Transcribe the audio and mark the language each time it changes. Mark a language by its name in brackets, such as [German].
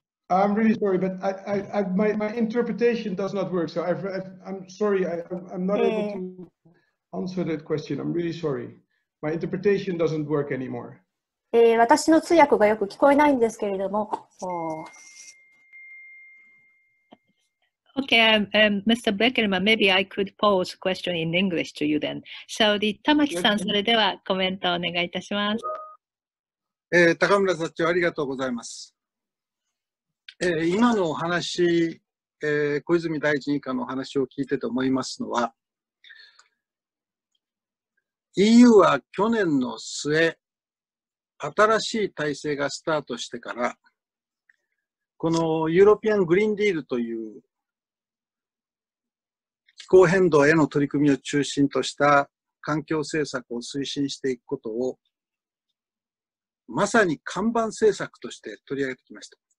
[English] I'm really sorry, but my interpretation does not work. So I'm sorry, I'm not able to answer that question. I'm really sorry. My interpretation doesn't work anymore. [Japanese] 私の通訳がよく聞こえないんですけれども。 [English] Okay, Mr. Blekelman, maybe I could pose a question in English to you then. So, the [Japanese] Tamaki さん、それではコメントをお願いいたします。高村社長、ありがとうございます。今のお話、小泉大臣以下のお話を聞いてて思いますのは、EU は去年の末、新しい体制がスタートしてから、このユーロピアングリーンディールという気候変動への取り組みを中心とした環境政策を推進していくことを、まさに看板政策として取り上げてきました。